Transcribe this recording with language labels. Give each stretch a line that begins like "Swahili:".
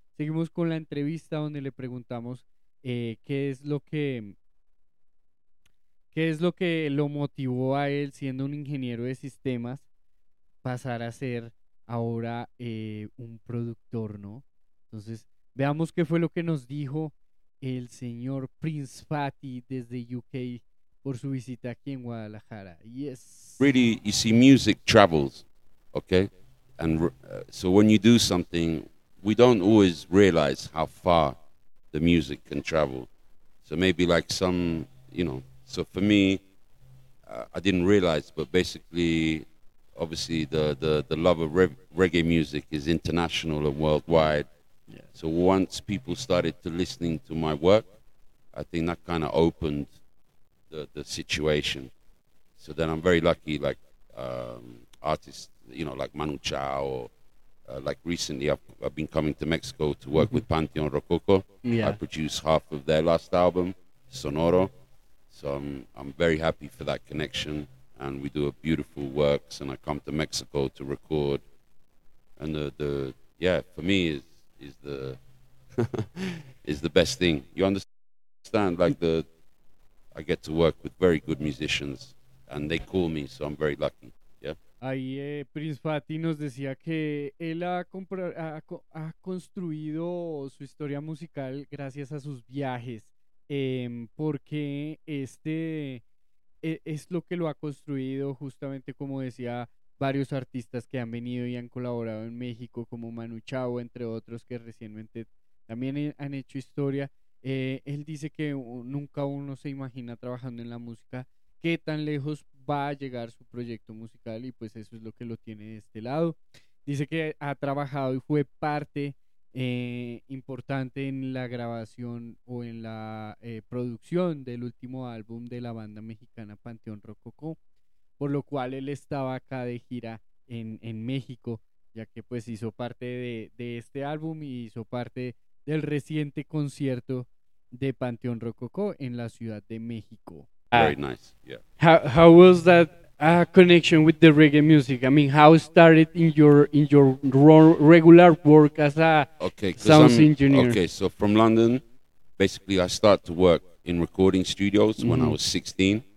Spanish: Seguimos con la entrevista, donde le preguntamos qué es lo que lo motivó a él, siendo un ingeniero de sistemas, pasar a ser ahora un productor, ¿no? Entonces veamos qué fue lo que nos dijo el señor Prince Fatty desde UK por su visita aquí en Guadalajara.
English: Yes. Really, you see, music travels, okay? And so when you do something, we don't always realize how far the music can travel. So maybe like some, you know, so for me, I didn't realize, but basically, obviously the love of reggae music is international and worldwide. So once people started to listening to my work, I think that kind of opened the situation. So then I'm very lucky, like artists, you know, like Manu Chao, or like recently I've been coming to Mexico to work with Panteón Rococó. Yeah. I produced half of their last album, Sonoro. So I'm very happy for that connection. And we do a beautiful works, and I come to Mexico to record. And for me, is the best thing. You understand, like, the I get to work with very good musicians and they call me, so I'm very lucky. Yeah.
Spanish: Ahí Prince Fatty nos decía que él ha construido su historia musical gracias a sus viajes, porque este es lo que lo ha construido, justamente como decía, varios artistas que han venido y han colaborado en México, como Manu Chao, entre otros, que recientemente también han hecho historia. Él dice que nunca uno se imagina trabajando en la música qué tan lejos va a llegar su proyecto musical, y pues eso es lo que lo tiene de este lado. Dice que ha trabajado y fue parte importante en la grabación o en la producción del último álbum de la banda mexicana Panteón Rococó, por lo cual él estaba acá de gira en México, ya que pues hizo parte de este álbum y hizo parte del reciente concierto de Panteón Rococó en la Ciudad de México.
English: Very nice, yeah. How was that connection with the reggae music? I mean, how it started in your regular work as a sound engineer? Okay, so from London, basically I start to work in recording studios when I was 16.